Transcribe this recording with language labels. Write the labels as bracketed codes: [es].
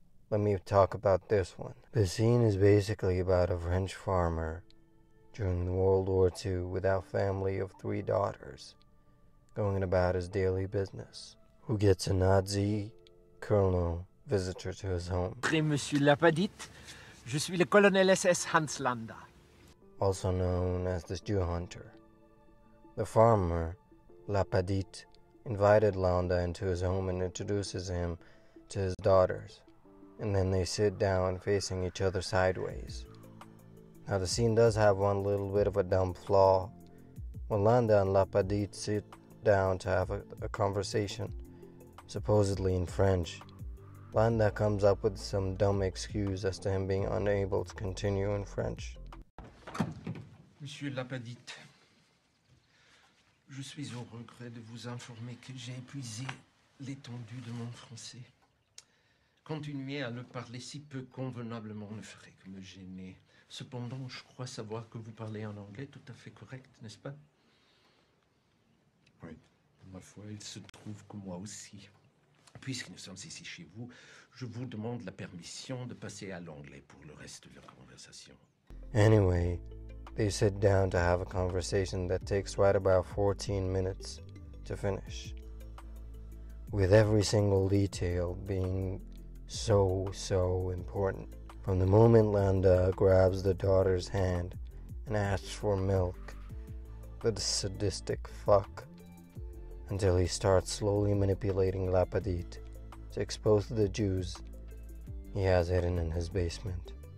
[en] Let me talk about this one. The scene is basically about a French farmer during World War II without family of three daughters, going about his daily business, who gets a Nazi colonel visitor to his home. [fr] Après Monsieur Lapadite, je suis le colonel SS Hans Landa. [en] Also known as the Jew Hunter. The farmer, Lapadite, invited Landa into his home and introduces him to his daughters. And then they sit down facing each other sideways. Now the scene does have one little bit of a dumb flaw. When Landa and Lapadite sit down to have a conversation, supposedly in French, Landa comes up with some dumb excuse as to him being unable to continue in French. [fr] Monsieur Lapadite, je suis au regret de vous informer que j'ai épuisé l'étendue de mon français. Continuer à le parler si peu convenablement ne ferait que me gêner. Cependant, je crois savoir que vous parlez en anglais tout à fait correct, n'est-ce pas? Oui. Ma foi, il se trouve que moi aussi. Puisque nous sommes ici chez vous, je vous demande la permission de passer à l'anglais pour le reste de la conversation. [en] Anyway, they sit down to have a conversation that takes right about 14 minutes to finish. With every single detail being so, so important. From the moment Landa grabs the daughter's hand and asks for milk, the sadistic fuck, until he starts slowly manipulating Lapadite to expose the Jews he has hidden in his basement.